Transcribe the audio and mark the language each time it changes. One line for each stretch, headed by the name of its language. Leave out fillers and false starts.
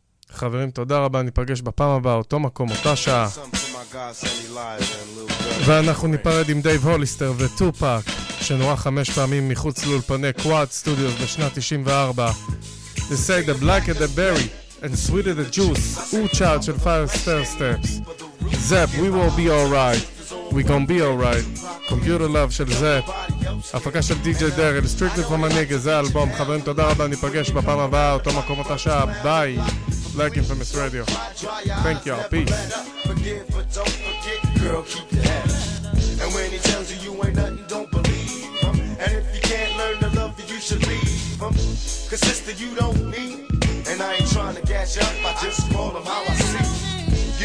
Hebrew: חברים, תודה רבה, ניפגש בפעם הבאה, אותו מקום, אותה שעה. ואנחנו ניפרד עם דייב הוליסטר וטופק, שנורא חמש פעמים מחוץ לאולפני קוואד סטודיוס בשנת 94.
English: They say the black and the berry and sweeter the juice, ooh child של fire stair steps. Zep, we will be alright. We gon' be alright. Computer love של Zep.
Hebrew: הפקה של DJ Daryl, strictly from my niggas, זה האלבום. חברים, תודה רבה, ניפגש בפעם הבאה, אותו מקום, אותה שעה, ביי.
English: Black Infamous Radio. Thank y'all. Peace. Forgive, but don't forget, girl, keep your head. And when he tells you you ain't nothing, don't believe him. And if you can't learn to love, you should leave him. Cause sister, you don't need. And I ain't trying to gas you up, I just call him how I see.